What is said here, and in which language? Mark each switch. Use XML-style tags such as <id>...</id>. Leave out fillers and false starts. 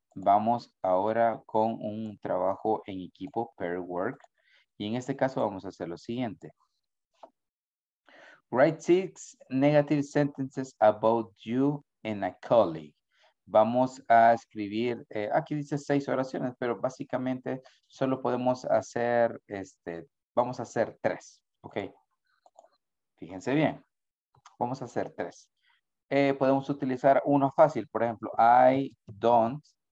<es>Vamos ahora con un trabajo en equipo,</es> <en>pair work.</en> <es>Y en este caso vamos a hacer lo siguiente.</es> <en>Write six negative sentences about you and a colleague.</en> <es>Vamos a escribir, aquí dice seis oraciones, pero básicamente solo podemos hacer, vamos a hacer tres, ¿ok? Fíjense bien, vamos a hacer tres. Podemos utilizar uno fácil, por ejemplo,</es> <en>I don't.</en>